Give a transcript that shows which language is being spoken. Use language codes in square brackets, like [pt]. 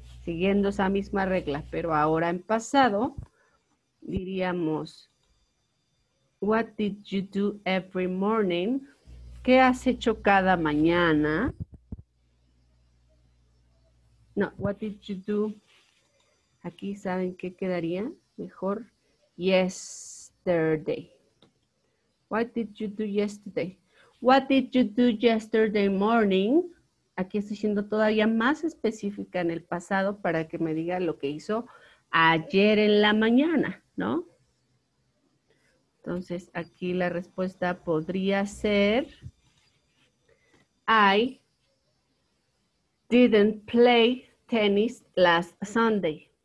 [es] Siguiendo esa misma regla, pero ahora en pasado, diríamos, [en] what did you do every morning? [es] ¿Qué has hecho cada mañana? No, [en] what did you do? [es] Aquí saben qué quedaría mejor. [en] Yesterday. What did you do yesterday? What did you do yesterday morning? [es] Aquí estoy siendo todavía más específica en el pasado para que me diga lo que hizo ayer en la mañana, ¿no? Entonces, aquí la respuesta podría ser [en] I didn't play tennis last Sunday.